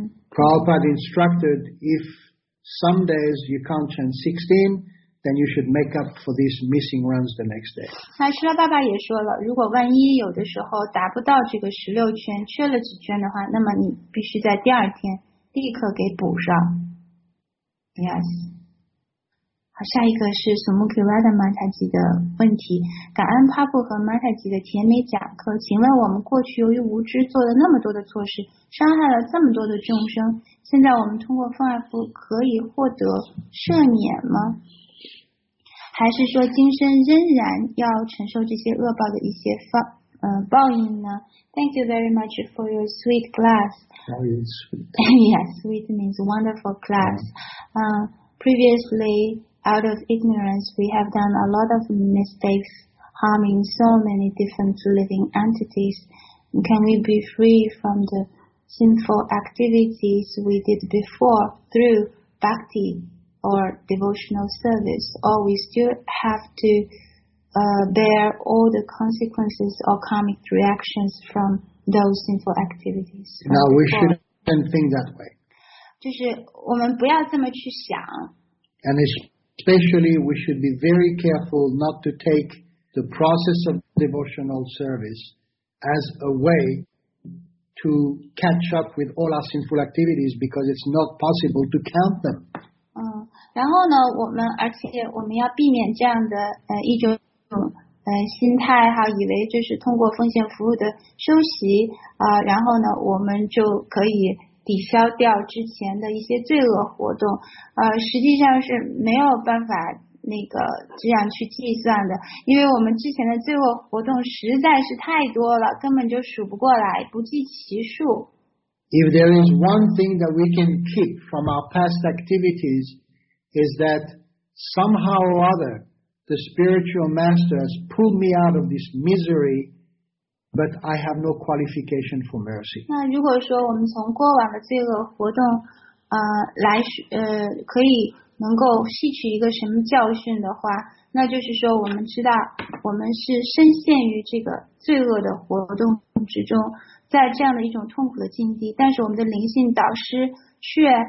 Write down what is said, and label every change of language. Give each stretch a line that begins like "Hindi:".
English: Prabhupada instructed, if some days you can't chant 16, then you should make up for these missing runs the next day.
Chinese: 那Srila爸爸也说了，如果万一有的时候达不到这个16圈，缺了几圈的话，那么你必须在第二天立刻给补上。 Yes. 好，下一个是 Sumuki Radha Mataji 的问题。感恩 Prabhu 和 Mataji 的甜美讲课。请问我们过去由于无知做了那么多的错事，伤害了这么多的众生，现在我们通过奉爱服务可以获得赦免吗？还是说今生仍然要承受这些恶报的一些报应呢？
English: Thank you very much for your sweet class. Yes, sweet means wonderful class. Previously, out of ignorance, we have done a lot of mistakes, harming so many different living entities. Can we be free from the sinful activities we did before through bhakti or devotional service, or we still have to bear all the consequences or karmic reactions from those sinful activities. Now we shouldn't think that way.
Chinese: 就是我们不要这么去想。
English: And especially we should be very careful not to take the process of devotional service as a way to catch up with all our sinful activities because it's not possible to count them.
Chinese: 然后呢我们而且我们要避免这样的一种心态哈，以为就是通过奉献服务的休息然后呢我们就可以抵消掉之前的一些罪恶活动实际上是没有办法那个这样去计算的，因为我们之前的罪恶活动实在是太多了，根本就数不过来，不计其数。
English: If there is one thing that we can keep from our past activities is that somehow or other the spiritual master has pulled me out of this misery, but I have no qualification for mercy.
Chinese: 那如果说我们从过往的罪恶活动来可以能够吸取一个什么教训的话，那就是说我们知道我们是深陷于这个罪恶的活动之中，在这样的一种痛苦的境地，但是我们的灵性导师却